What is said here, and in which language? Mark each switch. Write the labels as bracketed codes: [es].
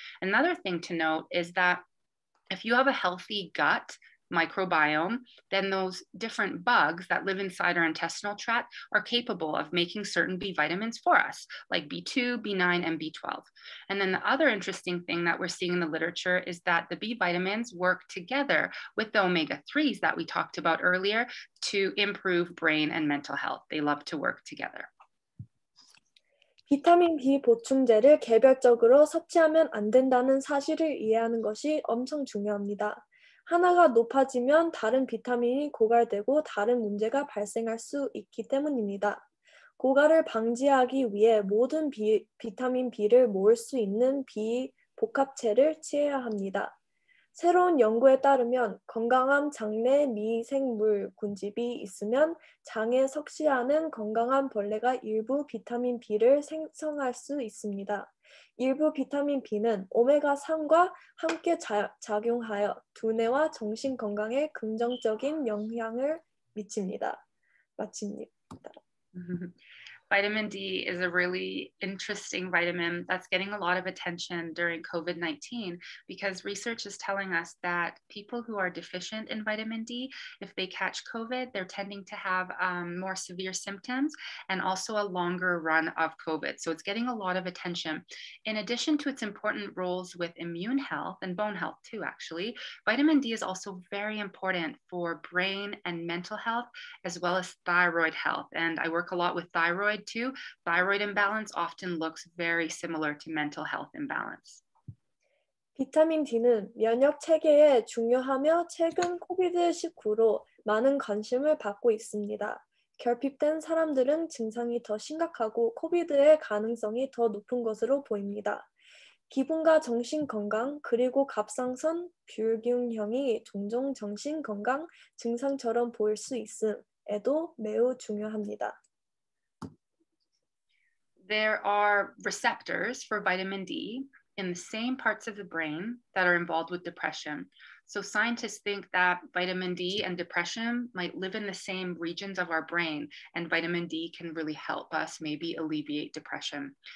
[en] Another thing to note is that if you have a healthy gut microbiome, then those different bugs that live inside our intestinal tract are capable of making certain B vitamins for us, like B2, B9, and B12. And then the other interesting thing that we're seeing in the literature is that the B vitamins work together with the omega-3s that we talked about earlier to improve brain and mental health. They love to work together. [ko] 비타민 B 보충제를 개별적으로 섭취하면 안 된다는 사실을 이해하는 것이 엄청 중요합니다. 하나가 높아지면 다른 비타민이 고갈되고 다른 문제가 발생할 수 있기 때문입니다. 고갈을 방지하기 위해 모든 비타민 B를 모을 수 있는 B 복합체를 취해야 합니다. 새로운 연구에 따르면 건강한 장내 미생물 군집이 있으면 장에 섭취하는 건강한 벌레가 일부 비타민 B를 생성할 수 있습니다. 일부 비타민 B는 오메가3과 함께 작용하여 두뇌와 정신 건강에 긍정적인 영향을 미칩니다. 마칩니다. [en] Vitamin D is a really interesting vitamin that's getting a lot of attention during COVID-19 because research is telling us that people who are deficient in vitamin D, if they catch COVID, they're tending to have more severe symptoms and also a longer run of COVID. So it's getting a lot of attention. In addition to its important roles with immune health and bone health too, actually, vitamin D is also very important for brain and mental health, as well as thyroid health. And I work a lot with thyroid too. Thyroid imbalance often looks very similar to mental health imbalance. [ko] 비타민 D는 면역 체계에 중요하며 최근 COVID-19로 많은 관심을 받고 있습니다. 결핍된 사람들은 증상이 더 심각하고 COVID의 가능성이 더 높은 것으로 보입니다. 기분과 정신 건강 그리고 갑상선 불균형이 종종 정신 건강 증상처럼 보일 수 있음에도 매우 중요합니다. [en] There are receptors for vitamin D in the same parts of the brain that are involved with depression. So scientists think that vitamin D and depression might live in the same regions of our brain, and vitamin D can really help us maybe alleviate depression.